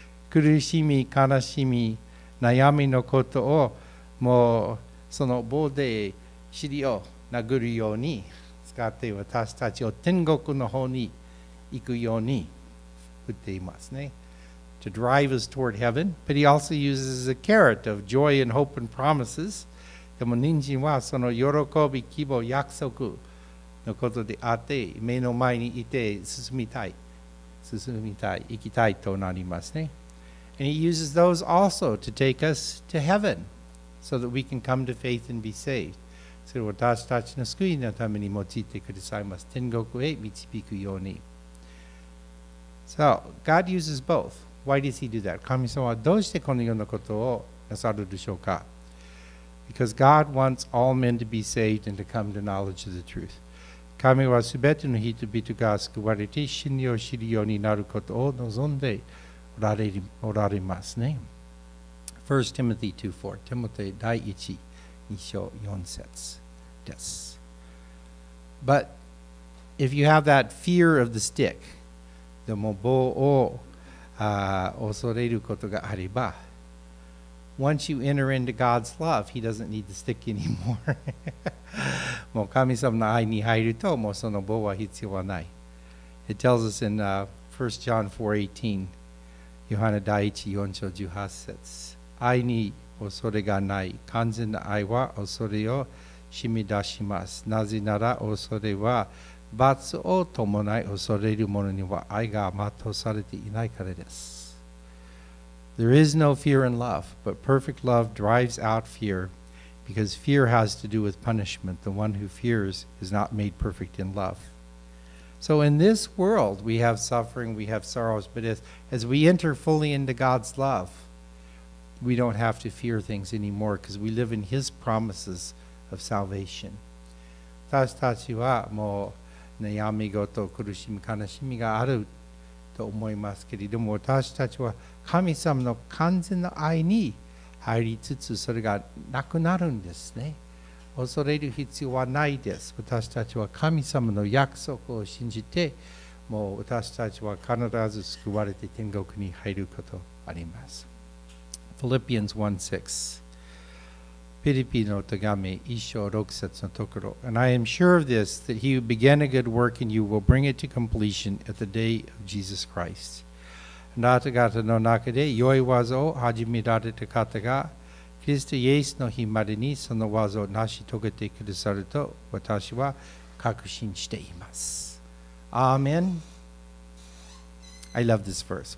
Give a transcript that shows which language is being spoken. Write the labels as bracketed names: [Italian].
[Japanese] 苦しみ、悲しみ、悩みのことをもうその棒で尻を殴るように使って私たちを天国の方に行くように打っていますね。 [English] To drive us toward heaven, but he also uses a carrot of joy and hope and promises. [Japanese] でも人参はその喜び、希望、約束のことであって目の前にいて進みたい、行きたいとなりますね。 [English] And he uses those also to take us to heaven so that we can come to faith and be saved. [Japanese] それを私たちの救いのために用いてくださいます。天国へ導くように。 [English] So, God uses both. Why does he do that? [Japanese] 神様はどうしてこのようなことをなさるでしょうか。 [English] Because God wants all men to be saved and to come to knowledge of the truth. [Japanese] 神はすべての人々が救われて真理を知るようになることを望んでおられますね。 1 Timothy 2:4 テモテ第一2章4節です。 [English] But if you have that fear of the stick, [Japanese] でも棒を恐れることがあれば、 [English] Once you enter into God's love, He doesn't need the stick anymore. [Japanese] もう神様の愛に入ると、もうその棒は必要はない。 [English] It tells us in 1 John 4:18, [Japanese] ヨハネ第一4章18節。愛に恐れがない。完全な愛は恐れを染み出します。なぜなら恐れは罰を伴い恐れる者には愛が全うされていないからです。 [English] There is no fear in love, but perfect love drives out fear, because fear has to do with punishment. The one who fears is not made perfect in love. So in this world, we have suffering, we have sorrows, but as we enter fully into God's love, we don't have to fear things anymore, because we live in His promises of salvation. [Japanese] 私たちはもう悩み事、苦しみ、悲しみがあると思いますけれども、私たちは神様の完全の愛に入りつつそれがなくなるんですね。恐れる必要はないです。私たちは神様の約束を信じて、もう私たちは必ず救われて天国に入ることあります。フィリピンズ 1:6 ピリピの手紙一章六節のところ [English] And I am sure of this, that he who began a good work in you will bring it to completion at the day of Jesus Christ. [Japanese] あなた方の中で良い技を始められた方が、キリストイエスの日までにその技を成し遂げてくださると私は確信しています。アーメン。 [English] I love this verse.